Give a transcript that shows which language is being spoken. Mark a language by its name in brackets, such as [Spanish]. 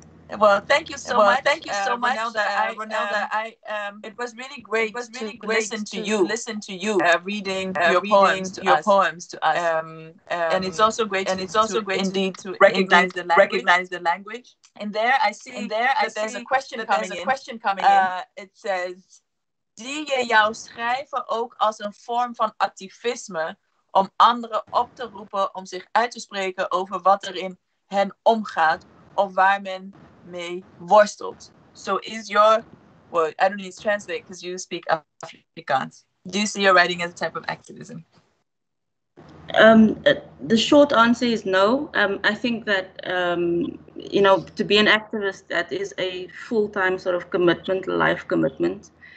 [English] Well, thank you so much, Ronelda, it was really great to listen to you. Reading your poems to us. And it's also great to recognize the language. And there I see that there's a question coming in. It says, [Dutch] zie je jouw schrijven ook als een vorm van activisme om anderen op te roepen om zich uit te spreken over wat er in hen omgaat of waar men mee worstelt? [English] So is your, well, I don't need to translate because you speak Afrikaans. Do you see your writing as a type of activism? The short answer is no. I think that, you know, to be an activist, that is a full-time sort of commitment, life commitment.